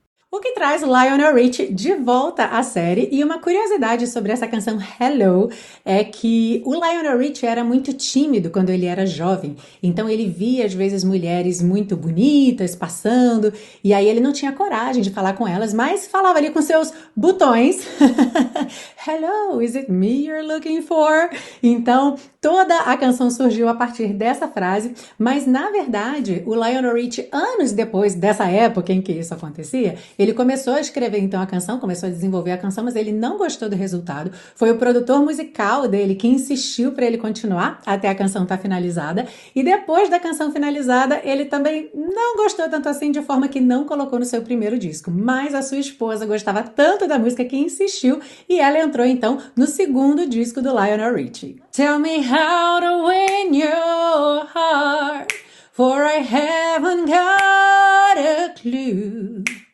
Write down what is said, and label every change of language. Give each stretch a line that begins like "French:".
Portuguese: O que traz Lionel Richie de volta à série? E uma curiosidade sobre essa canção Hello é que o Lionel Richie era muito tímido quando ele era jovem. Então ele via às vezes mulheres muito bonitas passando e aí ele não tinha coragem de falar com elas, mas falava ali com seus botões.
English: Hello, is it me you're looking for?
Portuguese: Então toda a canção surgiu a partir dessa frase, mas na verdade o Lionel Richie, anos depois dessa época em que isso acontecia, ele começou a escrever então a canção, começou a desenvolver a canção, mas ele não gostou do resultado. Foi o produtor musical dele que insistiu para ele continuar até a canção estar finalizada. E depois da canção finalizada, ele também não gostou tanto assim, de forma que não colocou no seu primeiro disco. Mas a sua esposa gostava tanto da música que insistiu e ela entrou então no segundo disco do Lionel Richie.
English: Tell me how to win your heart, for I haven't got a clue.